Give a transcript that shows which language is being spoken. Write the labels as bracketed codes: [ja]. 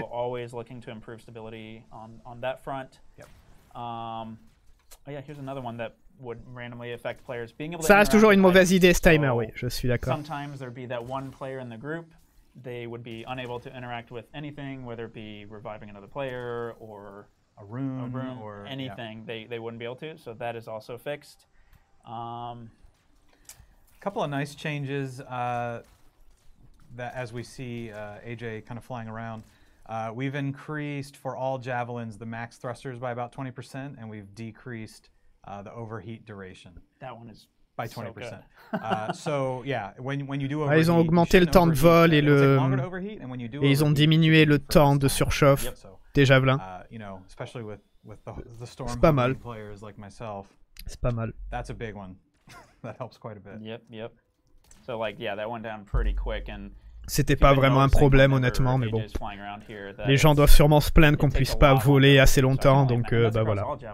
[en] Still always looking to improve stability on that front. Yep. Oh yeah, here's another one that would randomly affect players. Being able [fr] ça reste toujours une mauvaise idée, ce timer, oui, je suis d'accord. [en] Sometimes there'd be that one player in the group, they would be unable to interact with anything, whether it be reviving another player or a room or anything, yeah. they wouldn't be able to, so that is also fixed. Couple of nice changes that as we see AJ kind of flying around. We've increased for all javelins the max thrusters by about 20%, and we've decreased the overheat duration. That one is by 20%. So yeah, when you do overheat, [fr] ils ont augmenté le temps de vol et le et ils ont diminué le temps de surchauffe des javelins. [en] You know, especially with the storm players like myself. [fr] C'est pas mal. [en] That's a big one. That helps quite a bit. Yep. So like yeah, that went down pretty quick and. [fr] C'était pas vraiment un problème, honnêtement, mais bon. Les gens doivent sûrement se plaindre qu'on puisse pas voler assez longtemps, donc bah voilà.